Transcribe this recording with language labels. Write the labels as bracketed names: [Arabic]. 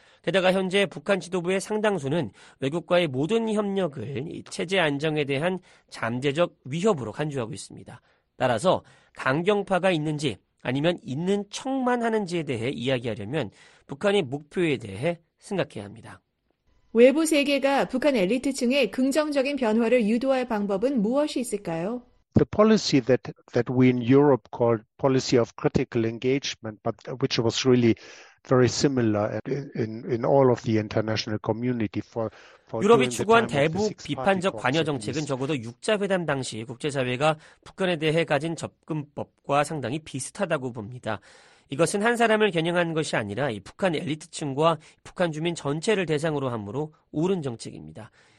[Korean] 게다가 현재 북한 지도부의 상당수는 외국과의 모든 협력을 체제 안정에 대한 잠재적 위협으로 간주하고 있습니다. 따라서 강경파가 있는지 아니면 있는 척만 하는지에 대해 이야기하려면 북한의 목표에 대해 생각해야 합니다. 외부 세계가 북한 엘리트층의 긍정적인 변화를 유도할 방법은 무엇이 있을까요? [English] The policy that we in Europe called policy of critical engagement, but which was really very similar in all of the international community for [Korean] 유럽이 추구한 대북 비판적 관여 정책은 적어도 6자회담 당시 국제사회가 북한에 대해 가진 접근법과 상당히 비슷하다고 봅니다. 이것은 한 사람을 겨냥한 것이 아니라 북한 엘리트층과 북한 주민 전체를 대상으로 함으로 옳은 정책입니다.